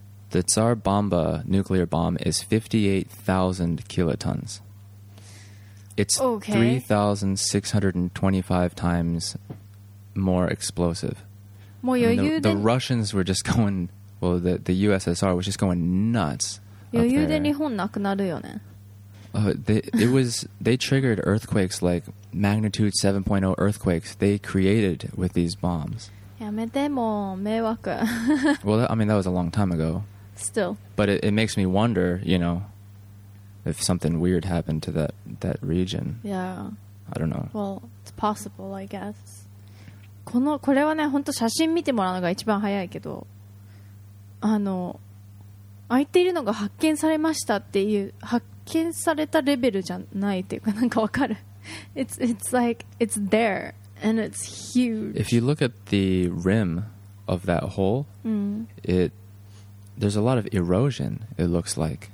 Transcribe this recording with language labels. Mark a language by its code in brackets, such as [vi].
[en] The Tsar Bomba nuclear bomb is 58,000 kilotons. It's 3,625 times more explosive. [ja] もう余裕で、 [en] I mean, the Russians were just going, well, the USSR was just going nuts. [ja] 余裕で日本なくなるよね。 [en] They triggered earthquakes like magnitude 7.0 earthquakes they created with these bombs. [ja] やめて、もう迷惑。 [en] Well, I mean, that was a long time ago. Still. But it makes me wonder, you know, if something weird happened to that region. Yeah. I don't know. Well, it's possible, I guess. [ja] これはね、本当写真見てもらうのが一番早いけど、あの、空いているのが発見されましたっていう、発見されたレベルじゃないっていうか、なんかわかる。 [en] It's like, it's there, and it's huge. If you look at the rim of that hole, there's a lot of erosion, it looks like.